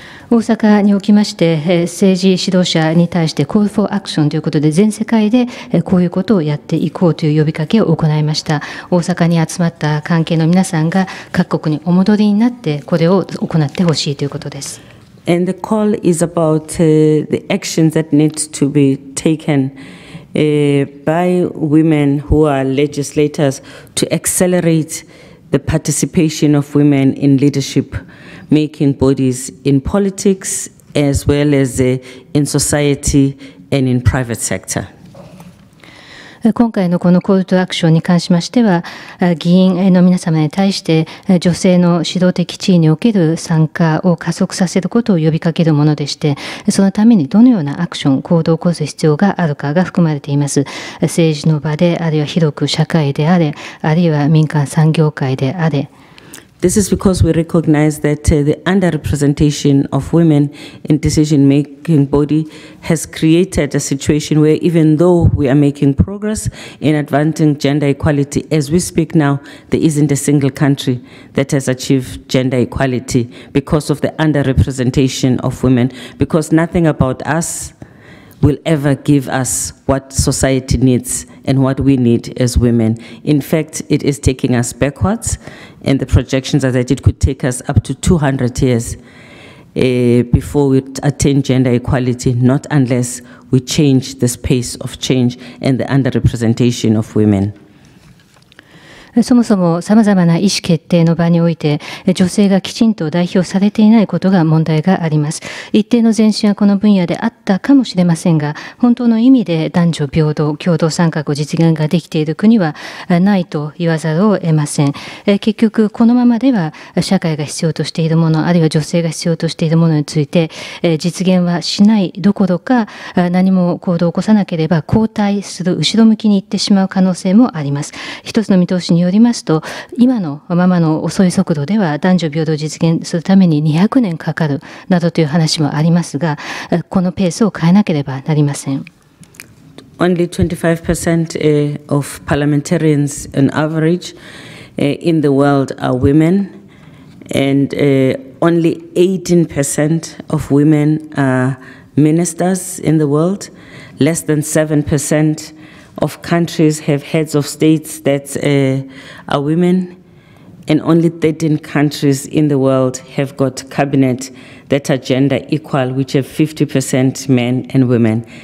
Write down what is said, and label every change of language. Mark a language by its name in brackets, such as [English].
[Japanese] 大阪におきまして政治指導者に対して Call for Action ということで全世界でこういうことをやっていこうという呼びかけを行いました。大阪に集まった関係の皆さんが各国にお戻りになってこれを行ってほしいということです。 [English] And the call is about the actions that need to be taken by women who are legislators to accelerate the participation of women in leadershipmaking bodies in politics as well as in society and in private sector. [Japanese] 今回のこのコールトアクションに関しましては、議員の皆様に対して女性の指導的地位における参加を加速させることを呼びかけるものでして、そのためにどのようなアクション、行動を起こす必要があるかが含まれています。政治の場で、あるいは広く社会であれ、あるいは民間産業界であれ、 [English] This is because we recognize that the underrepresentation of women in decision-making body has created a situation where even though we are making progress in advancing gender equality, as we speak now, there isn't a single country that has achieved gender equality because of the underrepresentation of women, because nothing about us will ever give us what society needs and what we need as women. In fact, it is taking us backwards. And the projections are that it could take us up to 200 years before we attain gender equality, not unless we change this pace of change and the underrepresentation of women. [Japanese] そもそもさまざまな意思決定の場において女性がきちんと代表されていないことが問題があります。一定の前進はこの分野であったかもしれませんが、本当の意味で男女平等共同参画を実現ができている国はないと言わざるを得ません。結局このままでは社会が必要としているもの、あるいは女性が必要としているものについて実現はしないどころか、何も行動を起こさなければ後退する、後ろ向きに行ってしまう可能性もあります。一つの見通しによりますと、今のままの遅い速度では男女平等実現するために200年かかるなどという話もありますが、このペースを変えなければなりません。 [English] Only 25% of parliamentarians on average in the world are women, and only 18% of women are ministers in the world. Less than 7%of countries have heads of states that are women, and only 13 countries in the world have got cabinet that are gender equal, which have 50% men and women.